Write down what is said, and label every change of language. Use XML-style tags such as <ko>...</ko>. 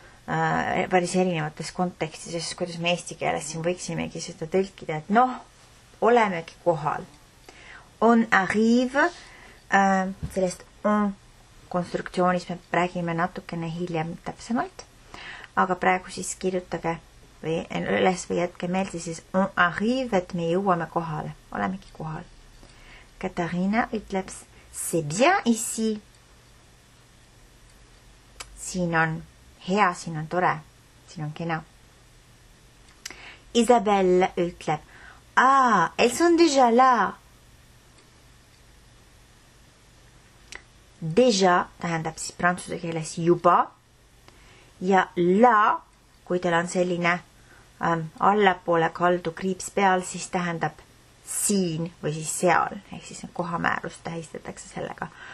<et>Päris erinevates kontekstides, kuidas me eesti keeles siin võiksimegi seda tõlkida, et noh, olemegi kohal.</et> <fr>On arrive,</fr> <et>sellest on konstruktsioonis me räägime natukene hiljem täpsemalt. Aga praegu siis kirjutage või üles või jätke meelde siis</et> <fr>on arrive,</fr> <et>et me jõuame kohale. Olemegi kohal. Katarina ütleb,</et> <fr>c'est bien ici.</fr> <et>Siin on hea, siin on tore, siin on kena. Isabelle ütleb,</et> <fr>ah, elles sont déjà là.</fr> <et>Déjà tähendab siis prantsuse keeles juba. Ja la, kui teil on selline allapoole kaldu kriips peal, siis tähendab siin või siis seal. Ehk siis kohamäärus tähistatakse sellega.</et>